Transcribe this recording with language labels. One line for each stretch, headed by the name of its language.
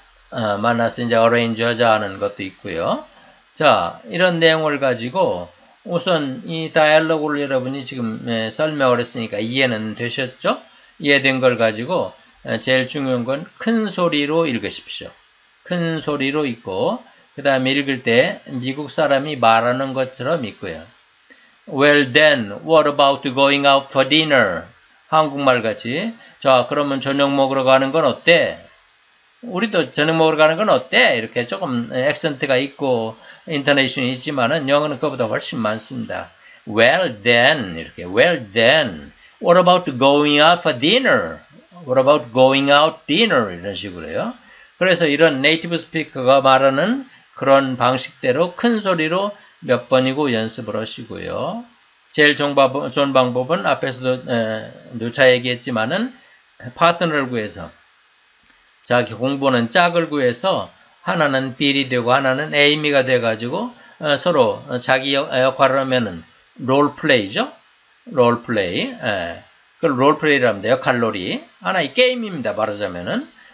Korean: 만나서 이제 arrange 하자 하는 것도 있고요. 자, 이런 내용을 가지고 우선 이 다이얼로그를 여러분이 지금 설명을 했으니까 이해는 되셨죠? 이해된 걸 가지고 제일 중요한 건큰 소리로 읽으십시오. 큰 소리로 읽고, 그 다음에 읽을 때 미국 사람이 말하는 것처럼 읽고요.
English: Well then, what about going out for dinner?
Korean: 한국말 같이. 자, 그러면 저녁 먹으러 가는 건 어때? 우리도 저녁 먹으러 가는 건 어때? 이렇게 조금 액센트가 있고 인터네이션이 있지만은 영어는 그보다 훨씬 많습니다.
English: Well then,
Korean: 이렇게.
English: Well then, what about going out for dinner? What about going out dinner?
Korean: 이런 식으로요. 그래서 이런 네이티브 스피커가 말하는 그런 방식대로 큰 소리로 몇 번이고 연습을 하시고요. 제일 좋은 방법은 앞에서도 누차 얘기했지만은 파트너를 구해서 자기 공부는 짝을 구해서 하나는 빌이 되고 하나는 에이미가 돼가지고 서로 자기 역할을 하면은 롤플레이죠. 롤플레이. 그걸 롤플레이라 합니다. 역할놀이. 하나의 게임입니다. 말하자면은.